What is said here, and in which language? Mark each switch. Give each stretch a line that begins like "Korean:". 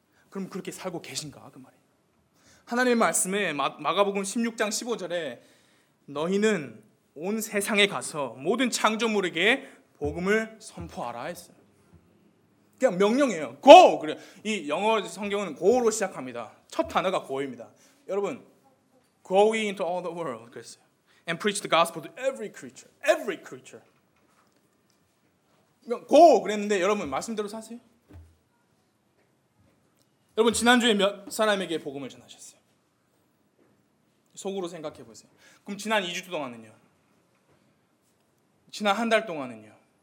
Korean: 그럼 그렇게 살고 계신가? 그 말이에요. 하나님 말씀에 마가복음 16장 15절에 너희는 온 세상에 가서 모든 창조물에게 복음을 선포하라 했어요. 그냥 명령이에요. Go! 그래. 이 영어 성경은 Go로 시작합니다. 첫 단어가 Go입니다. 여러분,
English: Go into all the world.
Korean: 그랬어요.
English: And preach the gospel to every creature. Every creature. Go!
Korean: 그랬는데 여러분, 말씀대로 사세요? 여러분, 지난주에 몇 사람에게 복음을 전하셨어요? 속으로 생각해보세요. 그럼 지난 2주 동안은요? 지난 한 달 동안은요?